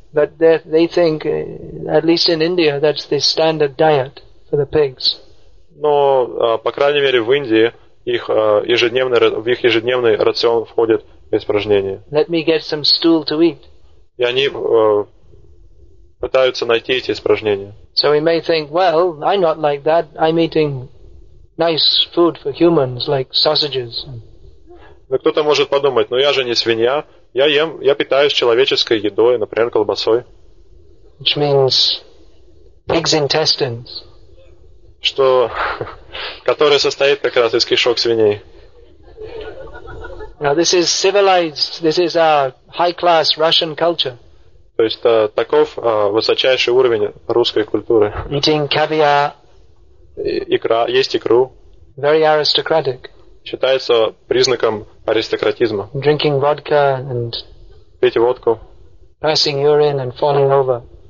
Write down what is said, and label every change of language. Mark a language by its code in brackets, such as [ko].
[en] But they think, at least in India, that's the standard diet for the pigs. [ru] Но, по крайней мере, в Индии в их ежедневный рацион входит испражнения. [en] Let me get some stool to eat. [ru] И они пытаются найти эти испражнения. [en] So we may think, well, I'm not like that. I'm eating nice food for humans, like sausages. [ru] Но кто-то может подумать, ну я же не свинья. Я питаюсь человеческой едой, например, колбасой. [en] Which means pig's intestines. [ru] Что, которая состоит как раз из кишок свиней. [en] Now this is civilized, this is our high-class Russian culture. [ru] То есть таков высочайший уровень русской культуры. [en] Eating caviar. [ru] Икра, есть икру. [en] Very aristocratic. [ru] Считается признаком аристократизма. [en] Drinking vodka and. [ru] Пить водку. [en] Passing urine and falling over.